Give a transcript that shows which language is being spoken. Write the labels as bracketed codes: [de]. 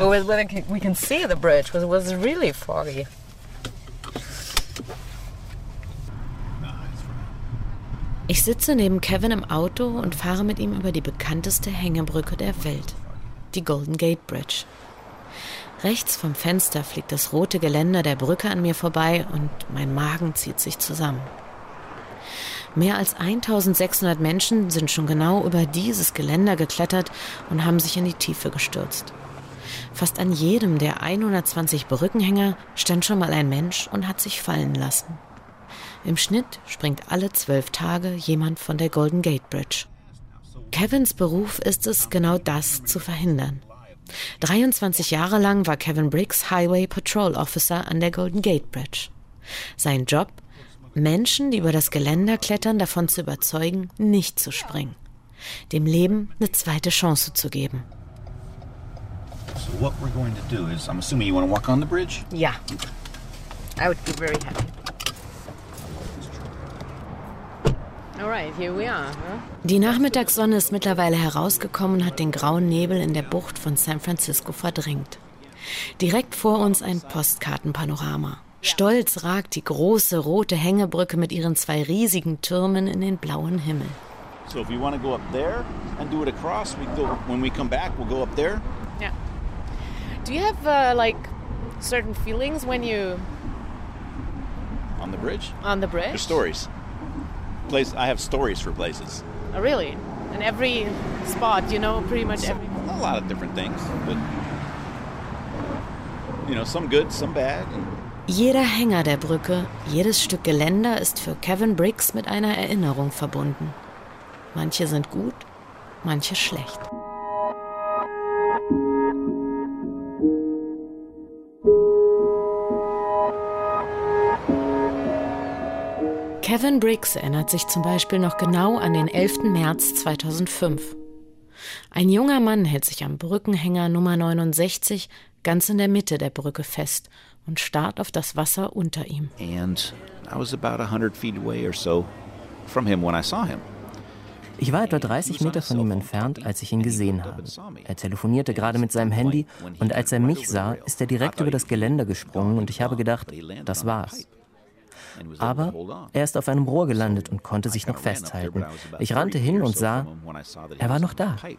[en] Well, we can see the bridge, but it was really foggy. Nah, it's fine. [de] Ich sitze neben Kevin im Auto und fahre mit ihm über die bekannteste Hängebrücke der Welt, die Golden Gate Bridge. Rechts vom Fenster fliegt das rote Geländer der Brücke an mir vorbei und mein Magen zieht sich zusammen. Mehr als 1600 Menschen sind schon genau über dieses Geländer geklettert und haben sich in die Tiefe gestürzt. Fast an jedem der 120 Brückenhänger stand schon mal ein Mensch und hat sich fallen lassen. Im Schnitt springt alle 12 Tage jemand von der Golden Gate Bridge. Kevins Beruf ist es, genau das zu verhindern. 23 Jahre lang war Kevin Briggs Highway Patrol Officer an der Golden Gate Bridge. Sein Job? Menschen, die über das Geländer klettern, davon zu überzeugen, nicht zu springen. Dem Leben eine zweite Chance zu geben. [en] So what we're going to do is, I'm assuming you want to walk on the bridge? Yeah. I would be very happy. All right, here we are, huh? [de] Die Nachmittagssonne ist mittlerweile herausgekommen und hat den grauen Nebel in der Bucht von San Francisco verdrängt. Direkt vor uns ein Postkartenpanorama. Stolz ragt die große rote Hängebrücke mit ihren zwei riesigen Türmen in den blauen Himmel. [en] So if you want to go up there and do it across, we go, when we come back, we'll go up there. Yeah. Do you have certain feelings when you on the bridge? On the bridge? There's stories. Place, I have stories for places. Oh, really? In every spot, you know, pretty much every... A lot of different things, but, you know, some good, some bad. [de] Jeder Hänger der Brücke, jedes Stück Geländer ist für Kevin Briggs mit einer Erinnerung verbunden. Manche sind gut, manche schlecht. Kevin Briggs erinnert sich zum Beispiel noch genau an den 11. März 2005. Ein junger Mann hält sich am Brückenhänger Nummer 69 ganz in der Mitte der Brücke fest und starrt auf das Wasser unter ihm. [en] And I was about 100 feet away or so from him when I saw him. [de] Ich war etwa 30 Meter von ihm entfernt, als ich ihn gesehen habe. Er telefonierte gerade mit seinem Handy und als er mich sah, ist er direkt über das Geländer gesprungen und ich habe gedacht, das war's. Aber er ist auf einem Rohr gelandet und konnte sich noch festhalten. Ich rannte hin und sah, er war noch da.